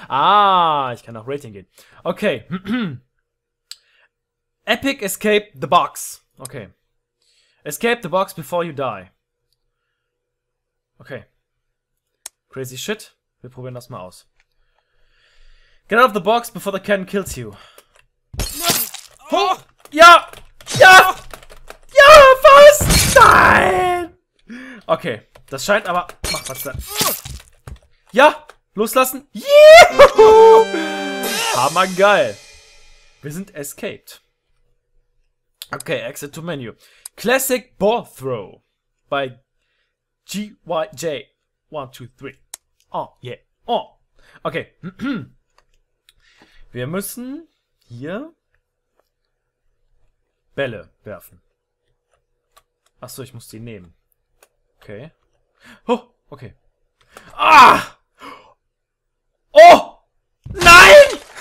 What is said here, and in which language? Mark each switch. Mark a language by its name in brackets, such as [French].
[German] Ah, ich kann nach Rating gehen. Okay. [English] Epic Escape the Box. Okay. Escape the Box before you die. Okay. Crazy shit. [German] Wir probieren das mal aus. [English] Get out of the box before the cannon kills you. [German] Oh. Oh. Ja! Ja! Oh. Ja, fast! Nein! Okay, das scheint aber... Mach was da. Ja! Loslassen! Juhu! Hammer geil! Wir sind escaped. Okay, [English] exit to menu. Classic ball throw by GYJ123. Oh, yeah. Oh. Okay. [German] Wir müssen hier Bälle werfen. Achso, ich muss die nehmen. Okay. Oh, okay. Ah! Oh! Nein!